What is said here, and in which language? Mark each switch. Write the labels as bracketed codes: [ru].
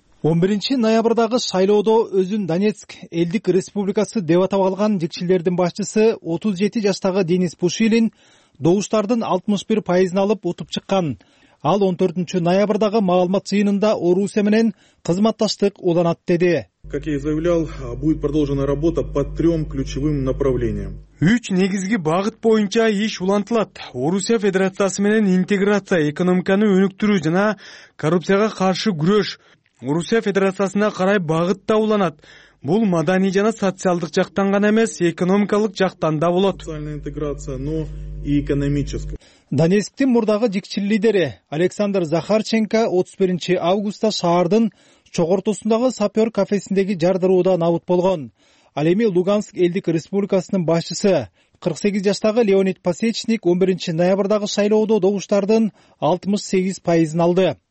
[ky] 11 ноябрдагы шайлоодо өзүн Донецк элдик республикасы деп атап алган жикчилердин башчысы 37 жаштагы Денис Пушилин добуштардын 61% алып утуп чыккан. Ал 14 ноябрдагы маалымат жыйынында Орусия менен кызматташтык уланат деди. [ru] Как я и заявлял, будет продолжена работа по трем ключевым направлениям. [ky] 3 негизги багыт боюнча иш улантылат. Орусия Федерациясы менен интеграция, экономиканы өнүктүрүү жана коррупцияга каршы күрөш. Орусия Федерациясына карай багыт да уланат. Бул маданий жана социалдык жактан гана эмес, экономикалык жактан да болот. [ru] Социальная интеграция, но и экономическая. [ky] Донецктин мурдагы жикчил лидери Александр Захарченко 31 августта шаардын чогортосундагы сапер кафесиндеги жардырууда набыт болгон. Ал эми Луганск элдик республикасынын башчысы 48 жаштагы Леонид Пасечник 11 ноябрдагы шайлоодо добуштардын 68% алды.